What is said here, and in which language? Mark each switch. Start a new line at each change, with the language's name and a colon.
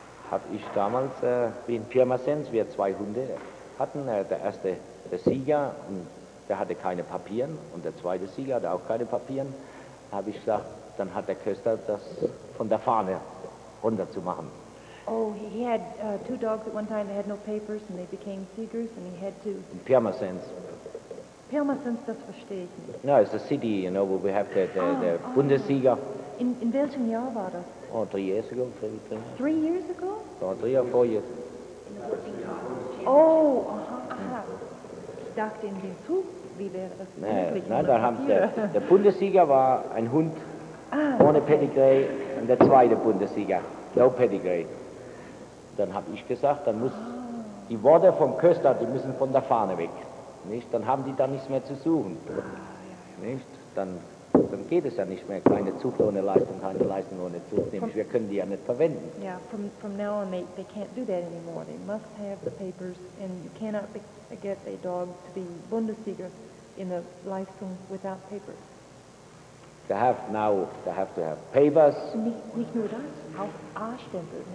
German: Habe ich damals, wie in Pirmasens, wir 2 Hunde hatten, der erste, der Sieger, und der hatte keine Papieren, und der zweite Sieger hatte auch keine Papieren, habe ich gesagt, dann hat der Köster das von der Fahne runter zu machen.
English: Oh, he had 2 dogs at one time, they had no papers, and they became Siegers, and he had to... In Pirmasens.
German: Pirmasens, das verstehe ich nicht.
English: No, it's a city, you know, where we have the Bundessieger.
German: In welchem Jahr war das?
English: Oh, 3 years ago. Three years. 3 years ago? Oh, 3 or 4 years. Oh, aha.
German: Ich dachte in dem Zug, wie wäre das möglich? Nein, der Bundessieger war ein Hund ohne Pedigree, und der zweite Bundessieger.
English: No pedigree.
German: Dann habe ich gesagt, dann muss die Worte vom Köster, die müssen von der Fahne weg. Nicht? Dann haben die da nichts mehr zu suchen. Nicht? Dann geht es ja nicht mehr. Keine Zucht ohne Leistung, keine Leistung ohne Zucht. Nämlich, wir können die ja nicht verwenden.
English: Ja, yeah, from now on they can't do that anymore. They must have the papers and you cannot get a dog to be Bundesliga in a Leistung without papers. They have to have papers.
German: Nicht nur das, auch A-Stempel.